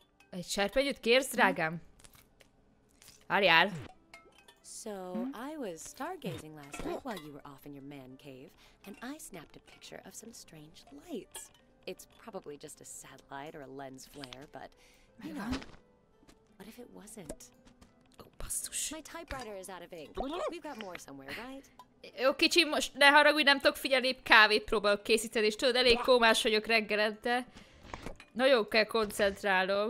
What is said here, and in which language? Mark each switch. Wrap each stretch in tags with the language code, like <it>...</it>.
<hu>Egy serpenyőt kérsz, drágám? Várjál.</hu> <en>So, I was stargazing last night while you were off in your man cave, and I snapped a picture of some strange lights. It's probably just a satellite or a lens flare, but, you know, what if it wasn't?</en> <hu>Oh, basszus.</hu> <en>My typewriter is out of ink. We've got more somewhere, right?</en> <hu>Jó, kicsi, most ne haragudj, nem tudok figyelni, épp kávét próbálok készíteni, és tudod, elég kómás vagyok reggelente. Nagyon kell koncentrálnom.</hu>